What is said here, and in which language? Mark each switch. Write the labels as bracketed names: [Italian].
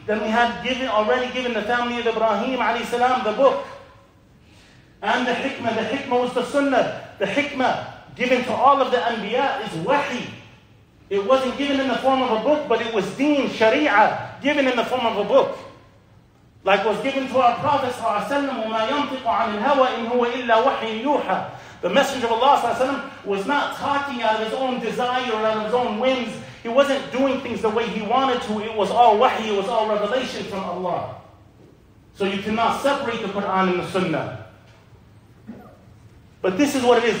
[English] Then we have already given the family of Ibrahim alayhi salam the book. And the hikmah was the sunnah. The hikmah given to all of the anbiya is wahi. It wasn't given in the form of a book, but it was deen, sharia, given in the form of a book. Like was given to our Prophet ﷺ, [Arabic] وَمَا يَنْطِقُ عَنِ الْهَوَىٰ إِنْ هُوَ إِلَّا وَحْيٌ يُوحَىٰ. [English] The Messenger of Allah ﷺ was not talking out of his own desire or out of his own whims. He wasn't doing things the way he wanted to. It was all wahi, it was all revelation from Allah. So you cannot separate the Quran and the Sunnah. But this is what it is.